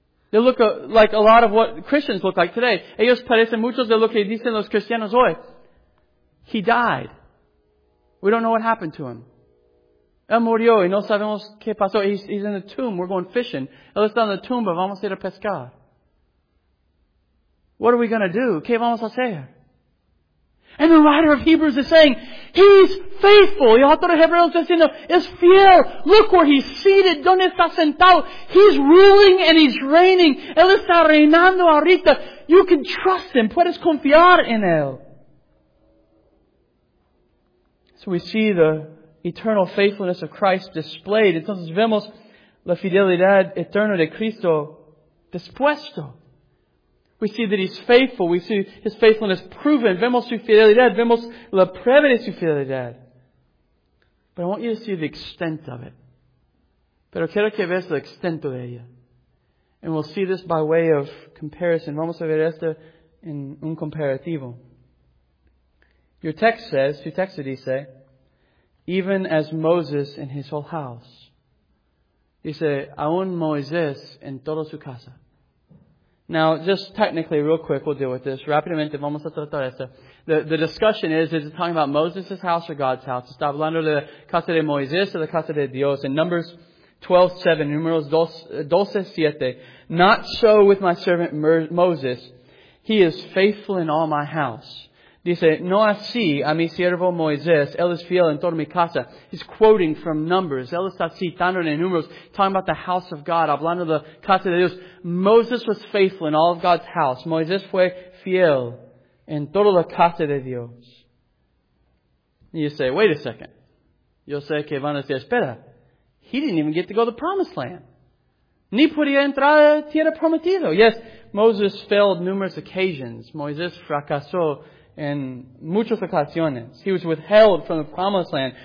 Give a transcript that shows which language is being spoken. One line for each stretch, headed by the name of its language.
English: They look like a lot of what Christians look like today.
Spanish: Ellos parecen muchos de lo que dicen los cristianos hoy.
English: He died. We don't know what happened to Him.
Spanish: Él murió y no sabemos qué pasó.
English: He's in the tomb. We're going fishing.
Spanish: Él está en la tumba. Vamos a ir a pescar.
English: What are we going to do?
Spanish: ¿Qué vamos a hacer?
English: And the writer of Hebrews is saying, He's faithful.
Spanish: Y el autor de Hebreos está diciendo, es fiel.
English: Look where He's seated.
Spanish: ¿Dónde está sentado?
English: He's ruling and He's reigning.
Spanish: Él está reinando ahorita.
English: You can trust Him.
Spanish: Puedes confiar en Él.
English: So we see the eternal faithfulness of Christ displayed.
Spanish: Entonces vemos la fidelidad eterna de Cristo dispuesto.
English: We see that He's faithful. We see His faithfulness proven.
Spanish: Vemos su fidelidad. Vemos la prueba de su fidelidad.
English: But I want you to see the extent of it.
Spanish: Pero quiero que veas el extento de ella.
English: And we'll see this by way of comparison.
Spanish: Vamos a ver esto en un comparativo.
English: Your text says,
Spanish: tu texto dice,
English: even as Moses and his whole house.
Spanish: Dice, aún Moisés en toda su casa.
English: Now, just technically, real quick, we'll deal with this.
Spanish: Rápidamente, vamos a tratar esto.
English: The discussion is it talking about Moses' house or God's house?
Spanish: Está hablando de la casa de Moisés o la casa de Dios.
English: In Numbers 12:7, Números 12:7, not so with my servant Moses. He is faithful in all my house.
Spanish: Dice, no así a mi siervo Moisés, él es fiel en toda mi casa.
English: He's quoting from Numbers.
Spanish: Él está citando en Números,
English: talking about the house of God,
Spanish: hablando de la casa de Dios.
English: Moses was faithful in all of God's house.
Spanish: Moisés fue fiel en toda la casa de Dios.
English: And you say, wait a second.
Spanish: Yo sé que van a decir, espera.
English: He didn't even get to go to the promised land.
Spanish: Ni podía entrar a tierra prometido.
English: Yes, Moses failed numerous occasions.
Spanish: Moisés fracasó. En muchas ocasiones,
English: he was withheld from the promised land.